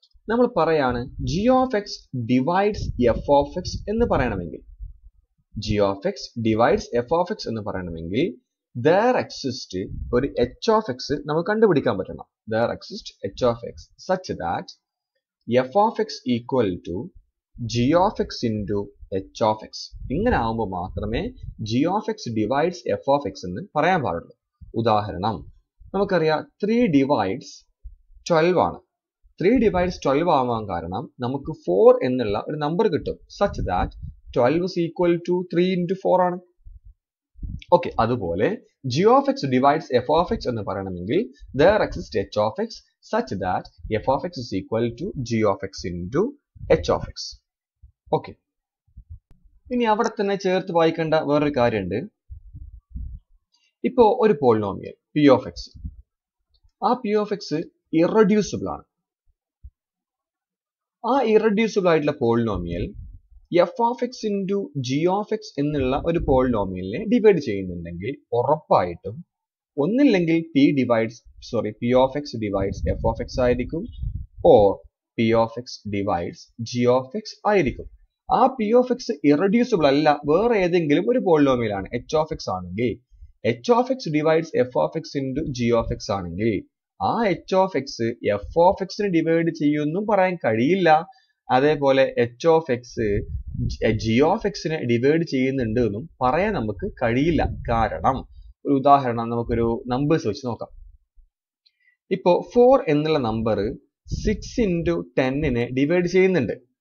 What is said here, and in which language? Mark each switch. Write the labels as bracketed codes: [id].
[ml] നമ്മൾ പറയാണ് [en] g of x divides f of x [ml] എന്ന് പറയണമെങ്കിൽ g of x divides f of x എന്ന് പറയണമെങ്കിൽ [en] there exists [ml] ഒരു h of x നമ്മൾ കണ്ടുപിടിക്കാൻ പറ്റണം. [en] There exists h of x such that f of x equal to g of x into h of x. [ml] ഇങ്ങനെ ആവുമ്പോൾ മാത്രമേ [en] g of x divides f of x [ml] എന്ന് പറയാൻ പാടുള്ളൂ. ഉദാഹരണം, നമുക്കറിയാം [en] 3 divides 12 [ml] ആണ്. [en] 3 divides 12 [ml] ആവാൻ കാരണം നമുക്ക് 4 എന്നുള്ള ഒരു നമ്പർ കിട്ടും. [en] such that 12 is equal to 3 into 4 [ml] ആണ്. ഓക്കെ, അതുപോലെ [en] g of x divides f of x [ml] എന്ന് പറയണമെങ്കിൽ [en] there exists h of x such that f of x is equal to g of x into h of x. [ml] Okay, ഇനി അവിടെ തന്നെ ചേർത്ത് വായിക്കേണ്ട വേറൊരു കാര്യമുണ്ട്. ഇപ്പോൾ ഒരു പോളിനോമിയൽ p of x, ആ p of x ഇറഡ്യൂസിബിൾ ആണ്. ആ ഇറഡ്യൂസിബിൾ ആയിട്ടുള്ള polynomial f of x into g of x എന്നുള്ള ഒരു പോളിനോമിയലിനെ ഡിവൈഡ് ചെയ്യുന്നുണ്ടെങ്കിൽ ഉറപ്പായിട്ടും ഒന്നില്ലെങ്കിൽ [en] p of x divides f of x [ml] ആയിരിക്കും, or [en] p of x divides g of x [ml] ആയിരിക്കും. ആ p of x ഇറഡ്യൂസിബിൾ അല്ല, വേറെ ഏതെങ്കിലും ഒരു പോളിനോമിയൽ ആണ് [en] h of x ആണെങ്കിൽ, h of x divides f of x into g of x [ml] ആണെങ്കിൽ ആ h of x f of x നെ ഡിവൈഡ് ചെയ്യുമെന്നും പറയാൻ കഴിയില്ല. അതേപോലെ h of x g of x നെ ഡിവൈഡ് ചെയ്യുന്നുണ്ട് എന്നും പറയാൻ നമുക്ക് കഴിയില്ല. കാരണം ഒരു ഉദാഹരണം നമുക്കൊരു നമ്പേഴ്സ് വെച്ച് നോക്കാം. ഇപ്പോ 4 എന്നുള്ള നമ്പർ 6 × 10 ഡിവൈഡ് ചെയ്യുന്നുണ്ട്.